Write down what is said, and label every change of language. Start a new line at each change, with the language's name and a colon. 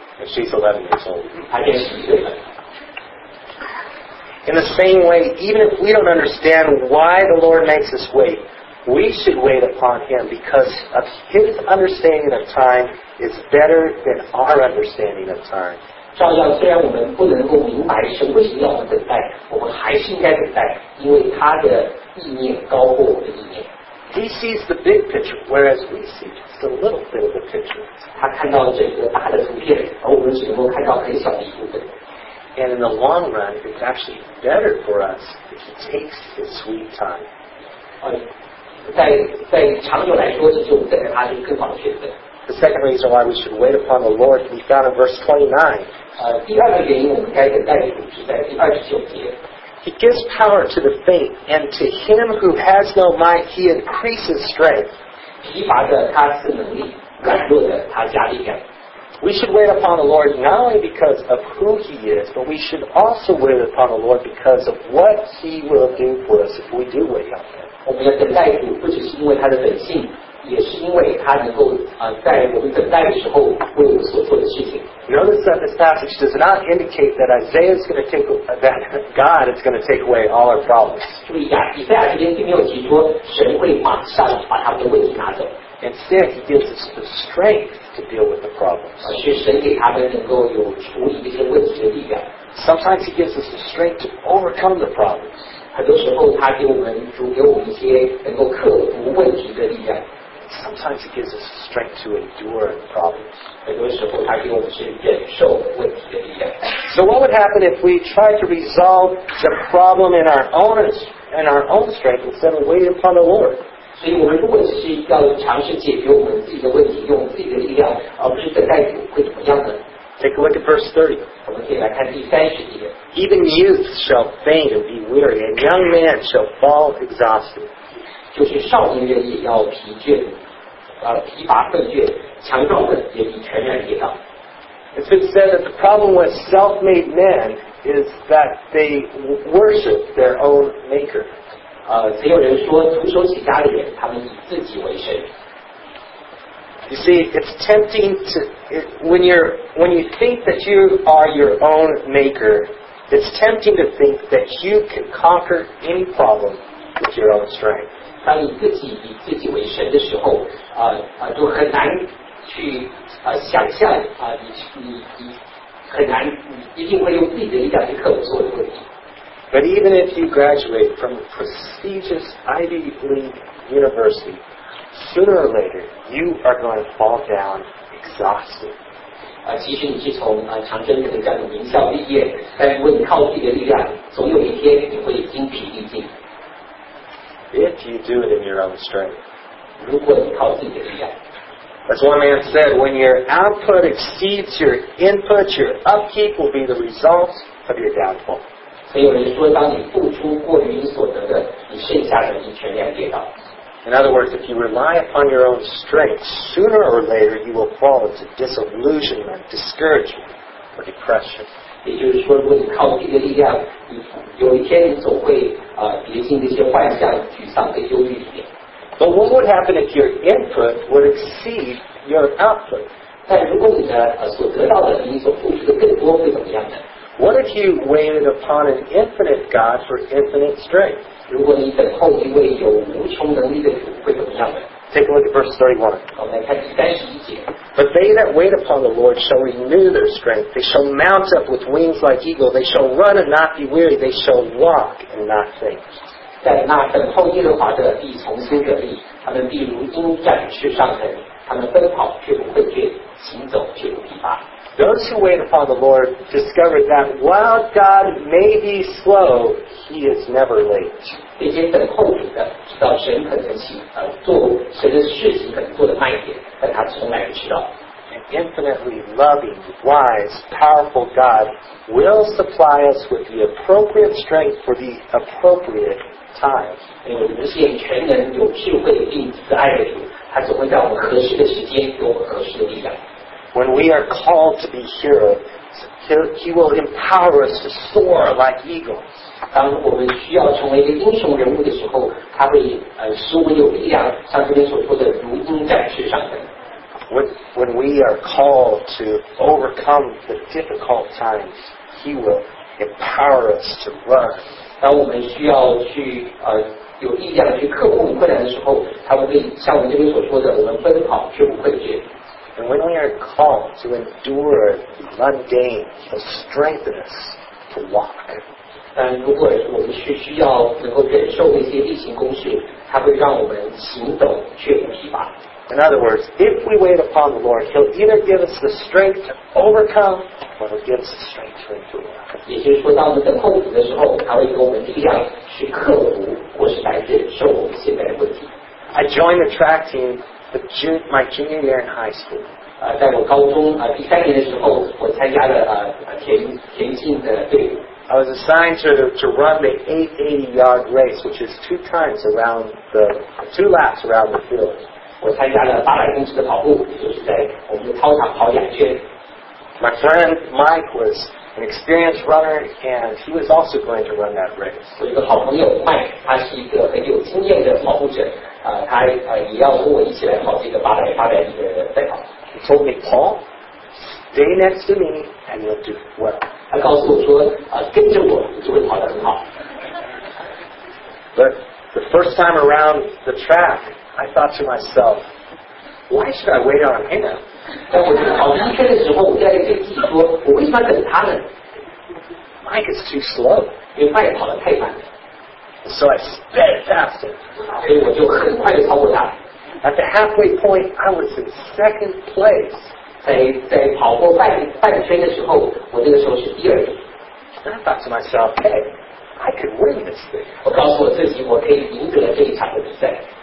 English: And she's 11 years old.
Chinese: 她已经十岁了。
English: In the same way, even if we don't understand why the Lord makes us wait, we should wait upon Him because of His understanding of time is better than our understanding of time.
Chinese: 照样，虽然我们不能够明白神为什么要我们等待，我们还是应该等待，因为他的意念高过我们的意念。
English: He sees the big picture, whereas we see just a little bit of the picture.
Chinese: 他看到整个大的图片，而我们只能够看到很小的一部分。
English: And in the long run, it's actually better for us if He takes His sweet time.
Chinese: 在长久来说，其实我们等待他是更好的选择。
English: The second reason why we should wait upon the Lord can be found in verse 29.
Chinese: 第二个原因我们该等待的主是在第二十九节。
English: He gives power to the faint, and to him who has no might, he increases strength.
Chinese: 疲乏的他赐能力，软弱的他加力量。
English: We should wait upon the Lord not only because of who He is, but we should also wait upon the Lord because of what He will do for us if we do wait on Him.
Chinese: 我们要等待主，不只是因为他的本性。也是因为他能够在我们等待的时候为我们所做的事情。
English: Notice that this passage does not indicate that Isaiah is going to take that God is going to take away all our problems.
Chinese: 注意啊，以赛亚这边并没有提说神会马上把他们的问题拿走。
English: Instead, He gives us the strength to deal with the problems.
Chinese: 是神给他们能够有处理这些问题的力量。
English: Sometimes He gives us the strength to overcome the problems.
Chinese: 很多时候他给我们主给我们一些能够克服问题的力量。
English: Sometimes He gives us the strength to endure problems.
Chinese: 很多时候，他给我们是忍受问题的力量。
English: So what would happen if we tried to resolve the problem in our own strength instead of waiting upon the Lord?
Chinese: 所以我们如果是要尝试解决我们自己的问题，用自己的力量，而不是等待主，会怎么样呢？
English: Take a look at verse 30.
Chinese: 我们可以来看第三十节。
English: Even youth shall faint and be weary, and young men shall fall exhausted.
Chinese: 就是少年人也要疲倦，疲乏困倦，强壮的也比全然跌倒。
English: It's been said that the problem with self-made men is that they worship their own maker.
Chinese: 只有人说徒手起家的人，他们以自己为神。
English: You see, it's tempting to, when you think that you are your own maker, it's tempting to think that you can conquer any problem with your own strength.
Chinese: 当你自己以自己为神的时候，就很难去想象你很难，你一定会用自己的力量去克服所有的问题。
English: But even if you graduate from a prestigious Ivy League university, sooner or later, you are going to fall down exhausted.
Chinese: 即使你是从长春藤这样的名校毕业，但如果你靠自己的力量，总有一天你会精疲力尽。
English: If you do it in your own strength.
Chinese: 如果你靠自己的力量。
English: As one man said, when your output exceeds your input, your upkeep will be the result of your downfall.
Chinese: 所以有人说，当你付出过于你所得的，你剩下的你全然跌倒。
English: In other words, if you rely upon your own strength, sooner or later you will fall into disillusionment, discouragement, or depression.
Chinese: 也就是说，如果你靠自己的力量，有一天你总会跌进这些幻想、沮丧跟忧郁里面。
English: But what would happen if your input would exceed your output?
Chinese: 但如果你的所得到的比你所付出的更多，会怎么样呢？
English: What if you waited upon an infinite God for infinite strength?
Chinese: 如果你等候一位有无穷能力的主，会怎么样呢？
English: Take a look at verse 31.
Chinese: 我们来看第31节。
English: But they that wait upon the Lord shall renew their strength. They shall mount up with wings like eagles. They shall run and not be weary. They shall walk and not faint.
Chinese: 在那等候耶和华的必重新得力，他们必如鹰展翅上腾，他们奔跑却不困倦，行走却不疲乏。
English: Those who wait upon the Lord discover that while God may be slow, He is never late.
Chinese: 那些等候主的知道神可能行做神的事情可能做得慢一点，但他从来不迟到。
English: An infinitely loving, wise, powerful God will supply us with the appropriate strength for the appropriate time.
Chinese: 因为我们是全能、有智慧并慈爱的主，他总会在我们合适的时间给我们合适的力量。
English: When we are called to be heroes, He will empower us to soar like eagles.
Chinese: 当我们需要成为一个英雄人物的时候，他会使我们有力量，像这边所说的如鹰展翅上腾。
English: When we are called to overcome the difficult times, He will empower us to run.
Chinese: 当我们需要去有力量去克服困难的时候，他会像我们这边所说的，我们奔跑却不困倦。
English: And when we are called to endure the mundane, He'll strengthen us to walk.
Chinese: 但如果我们是需要能够忍受一些例行公事，它会让我们行走却不疲乏。
English: In other words, if we wait upon the Lord, He'll either give us the strength to overcome, or He'll give us the strength to endure.
Chinese: 也就是说，当我们等候主的时候，他会给我们力量去克服或是来忍受我们现在的问题。
English: I joined the track team. My junior year in high school.
Chinese: 在我高中第三年的时候，我参加了田径的队伍。
English: I was assigned to run the 880-yard race, which is two laps around the field.
Chinese: 我参加了800公尺的跑步，就是在我们的操场跑两圈。
English: My friend Mike was an experienced runner, and he was also going to run that race.
Chinese: 我一个好朋友 Mike, 他是一个很有经验的跑步者。他也要和我一起来跑这个800米的赛跑。
English: He told me, Paul, stay next to me and you'll do well.
Chinese: 他告诉我说，跟着我你就会跑得很好。
English: But the first time around the track, I thought to myself, why should I wait on him?
Chinese: 当我跑第一圈的时候，我在跟自己说，我为什么要等他呢？
English: Mike is too slow.
Chinese: 因为 Mike 跑得太慢。
English: So I sped faster.
Chinese: 所以我就很快地超过他。
English: At the halfway point, I was in second place.
Chinese: 在跑过半圈的时候，我那个时候是第二名。
English: And I thought to myself, hey, I could win this thing.
Chinese: 我告诉我自己，我可以赢得这一场的比赛。